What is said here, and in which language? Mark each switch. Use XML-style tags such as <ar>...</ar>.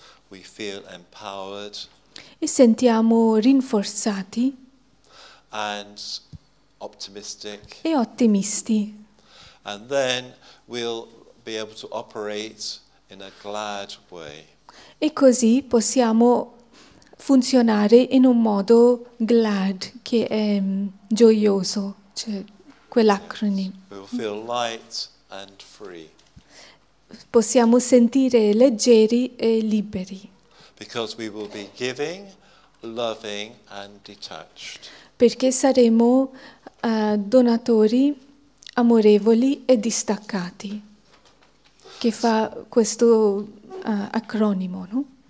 <en>We feel empowered.</en> <it>E sentiamo rinforzati.</it> <en>And optimistic.</en> <it>E ottimisti.</it> <en>And then we'll be able to operate in a glad way.</en> <it>E così possiamo funzionare in un modo glad, che è gioioso, cioè quell'acronimo.</it> <en>We'll feel light and free.</en> <it>Possiamo sentire leggeri e liberi.</it> <en>Because we will be giving, loving and detached.</en> <it>Perché saremo donatori amorevoli e distaccati, che fa questo acronimo, no?</it>